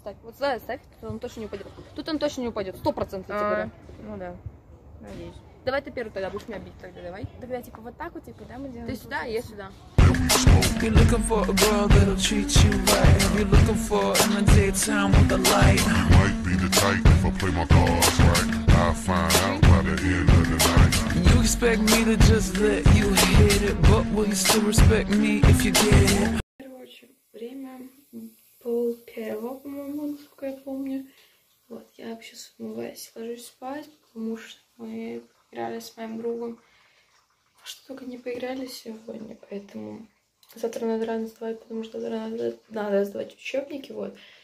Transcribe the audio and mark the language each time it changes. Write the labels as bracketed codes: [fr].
[ru] Вот сюда ставь, тут он точно не упадет. Тут он точно не упадет, 100% я тебе говорю. Ну да, надеюсь. Давай ты первый тогда, будешь меня бить тогда, давай. Тогда типа вот так вот, типа, да, мы делаем? Ты сюда, я сюда. [en] You're looking for a girl that'll treat you right. You're looking for in the daytime with the light. You might be the type if I play my cards right. I'll find out by the end of the night. You expect me to just let you hit it. But will you still respect me if you get it? [ru] Пол первого, по-моему, насколько я помню. Вот, я сейчас умываюсь, ложусь спать, потому что мы поиграли с моим другом. Что только не поиграли сегодня, поэтому завтра надо рано сдавать, потому что завтра надо сдавать учебники, вот.